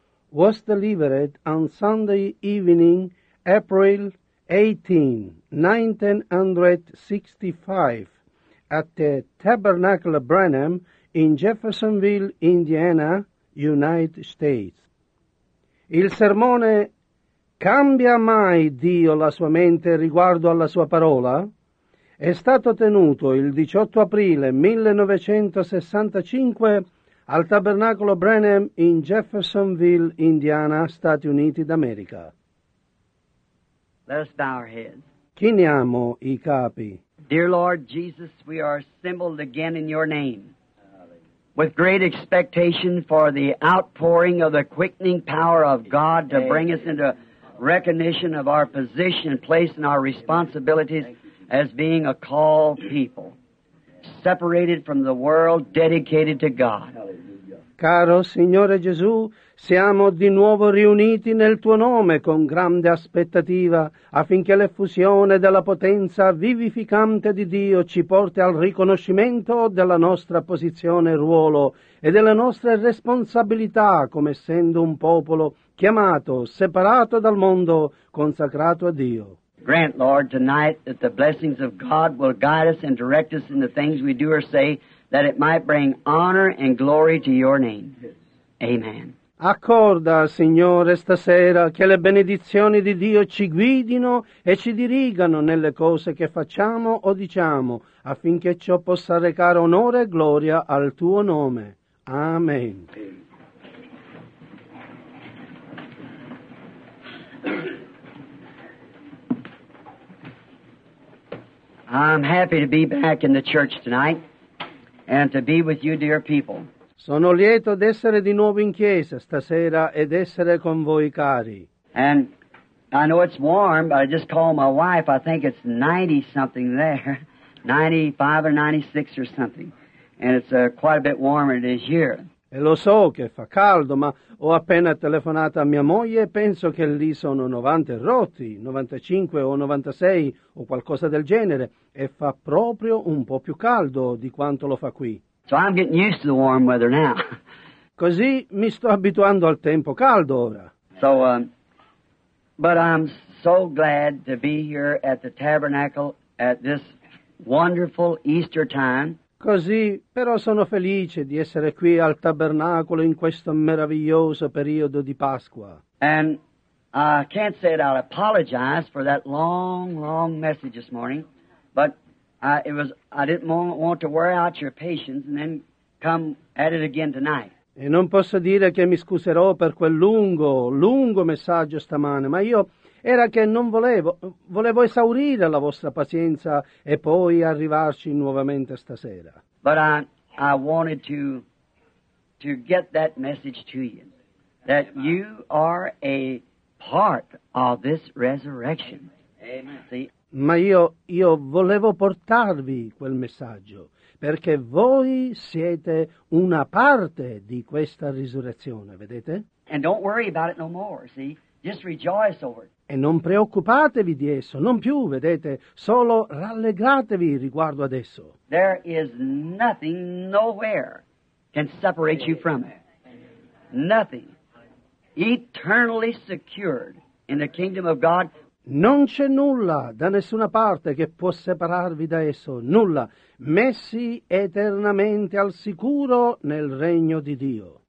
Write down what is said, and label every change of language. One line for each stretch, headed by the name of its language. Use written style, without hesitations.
English: was delivered on Sunday evening, April 18, 1965, at the Tabernacle Branham in Jeffersonville, Indiana, United States.
Italian: Il sermone "Cambia mai Dio la sua mente riguardo alla sua parola?" è stato tenuto il 18 aprile 1965 al Tabernacolo Branham in Jeffersonville, Indiana, Stati Uniti d'America.
English: Let us bow our heads.
Italian: Chiniamo i capi.
English: Dear Lord Jesus, we are assembled again in your name, with great expectation for the outpouring of the quickening power of God to bring us into recognition of our position, place, and our responsibilities as being a called people, separated from the world, dedicated to God.
Italian: Caro Signore Gesù, siamo di nuovo riuniti nel tuo nome con grande aspettativa affinché l'effusione della potenza vivificante di Dio ci porti al riconoscimento della nostra posizione e ruolo e delle nostre responsabilità come essendo un popolo chiamato, separato dal mondo, consacrato a Dio.
English: Grant, Lord, tonight that the blessings of God will guide us and direct us in the things we do or say, that it might bring honor and glory to your name. Amen.
Italian: Accorda, Signore, stasera che le benedizioni di Dio ci guidino e ci dirigano nelle cose che facciamo o diciamo, affinché ciò possa recare onore e gloria al tuo nome. Amen.
English: I'm happy to be back in the church tonight and to be with you, dear people.
Italian: Sono lieto d'essere di nuovo in chiesa stasera ed essere con voi cari.
English: And I know it's warm, but I just called my wife. I think it's 90 something there, 95 or 96 or something. And it's quite a bit warmer than it is here.
Italian: E lo so che fa caldo, ma ho appena telefonato a mia moglie e penso che lì sono 90 rotti, 95 o 96 o qualcosa del genere. E fa proprio un po' più caldo di quanto lo fa qui.
English: So I'm getting used to the warm weather now.
Italian: Così mi sto abituando al tempo caldo ora.
English: So, but I'm so glad to be here at the tabernacle at this wonderful Easter time.
Italian: Così, però sono felice di essere qui al tabernacolo in questo meraviglioso periodo di Pasqua.
English: And I can't say that I'll apologize for that long, long message this morning, but I didn't want to wear out your patience and then come at it again tonight.
Italian: E non posso dire che mi scuserò per quel lungo, lungo messaggio stamane, ma io era che non volevo esaurire la vostra pazienza e poi arrivarci nuovamente stasera.
English: But I wanted to get that message to you, that you are a part of this resurrection. Amen. See?
Italian: Ma io volevo portarvi quel messaggio, perché voi siete una parte di questa risurrezione, vedete?
English: And don't worry about it no more, see? Just rejoice over it.
Italian: E non preoccupatevi di esso, non più, vedete? Solo rallegratevi riguardo ad esso.
English: There is nothing, nowhere, can separate you from it. Nothing. Eternally secured in the kingdom of God.
Italian: Non c'è nulla da nessuna parte che può separarvi da esso, nulla, messi eternamente al sicuro nel regno di Dio.